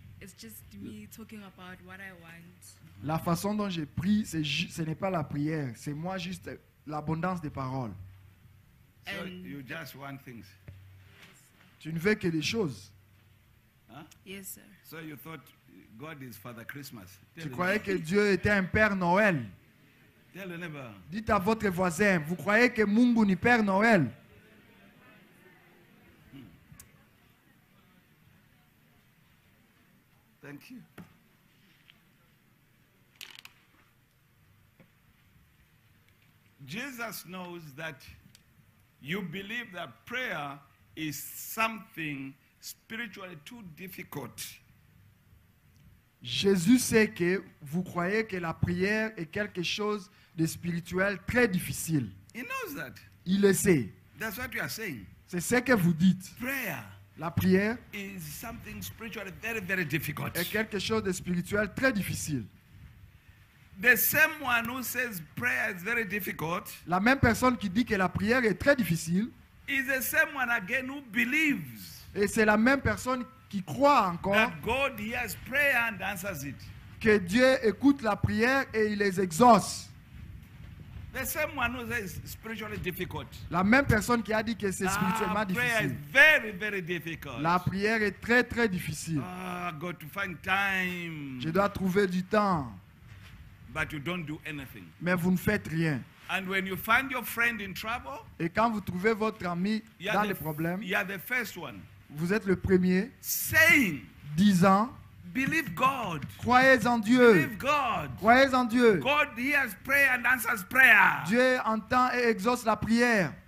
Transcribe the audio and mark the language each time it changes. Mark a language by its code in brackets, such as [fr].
[en] It's just me talking about what I want. [fr] La façon dont je prie, c'est ce n'est pas la prière. C'est moi juste l'abondance des paroles. [en] So you just want things. [fr] Tu ne veux que des choses. Huh? [en] Yes, sir. So you thought God is Father Christmas. [fr] Tu croyais que Dieu était un Père Noël. [en] Tell the neighbor. [fr] Dites à votre voisin, vous croyez que [sw] Mungu ni [fr] Père Noël. [en] Thank you. Jesus knows that you believe that prayer is something spiritually too difficult. [fr] Jésus sait que vous croyez que la prière est quelque chose de spirituel très difficile. [en] He knows that. [fr] Il le sait. [en] That's what you are saying. [fr] C'est ce que vous dites. [en] Prayer. [fr] La prière [en] is something spiritually very, very difficult. [fr] Est quelque chose de spirituel très difficile. [en] The same one who says prayer is very difficult. [fr] La même personne qui dit que la prière est très difficile. [en] Is the same one again who believes. [fr] Et c'est la même personne qui croit encore. [en] That God hears prayer and answers it. [fr] Que Dieu écoute la prière et il les exauce. [en] The same one who says spiritually difficult. [fr] La même personne qui a dit que c'est spirituellement difficile. [en] Prayer is very, very difficult. [fr] La prière est très, très difficile. [en] Got to find time. [fr] Je dois trouver du temps. [en] But you don't do anything. [fr] Mais vous ne faites rien. [en] And when you find your friend in trouble, [fr] et quand vous trouvez votre ami dans les problèmes, [en] you are the first one. [fr] Vous êtes le premier. [en] Saying. [fr] Disant. [en] Believe God. [fr] Croyez en Dieu. [en] Believe God. [fr] Croyez en Dieu. [en] God hears prayer and answers prayer. [fr] Dieu entend et exauce la prière.